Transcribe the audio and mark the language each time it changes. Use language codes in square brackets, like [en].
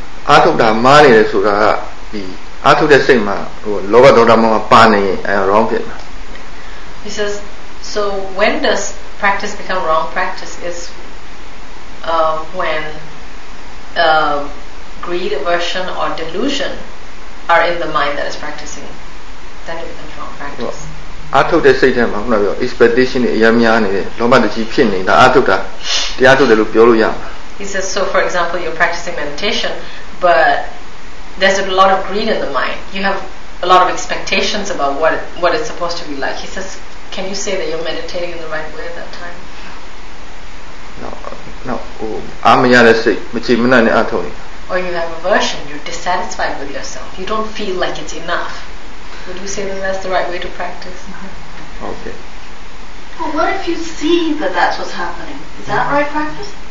[my] အားထုတ်တာမားနေတယ်ဆိုတာကဒီအားထုတ်တဲ့စိတ်မှာဟိုလောဘဒေါသမောဟပါနေရင်အဲ wrong ဖြစ်တာ [en] He says so when does practice become wrong practice is when greed aversion or delusion are in the mind that is practicing then it becomes wrong practice [my] အားထုတ်တဲ့စိတ်ထဲမှာခုနပြော expectation တွေအများများနေတယ်လောဘတကြီးဖြစ်နေတာအားထုတ်တာတရားထုတ်တယ်လို့ပြောလို့ရမှာ [en] He says so for example you're practicing meditation but there's a lot of greed in the mind you have a lot of expectations about what it's supposed to be like he says can you say that you're meditating in the right way at that time [my] no အမရတဲ့စိတ်မချိမနှံ့နဲ့အထုတ်နေ [en] or you have aversion you're dissatisfied with yourself you don't feel like it's enough would you say that that's the right way to practice okay well what if you see that that's what's happening is that right practice